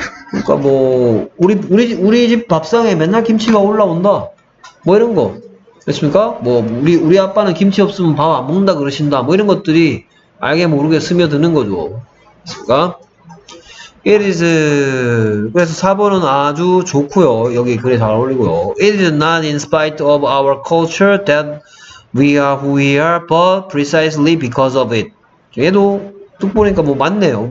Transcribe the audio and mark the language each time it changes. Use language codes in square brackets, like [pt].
[ko] 그러니까 뭐 우리 집 밥상에 맨날 김치가 올라온다 뭐 이런 거 됐습니까? 뭐 우리 아빠는 김치 없으면 밥 안 먹는다 그러신다 뭐 이런 것들이 알게 모르게 스며드는 거죠. 됐습니까? [en] It is [ko] 그래서 4번은 아주 좋고요. 여기 글에 잘 어울리고요. [en] It is not in spite of our culture that we are who we are but precisely because of it. [ko] 얘도 뚝 보니까 뭐 맞네요.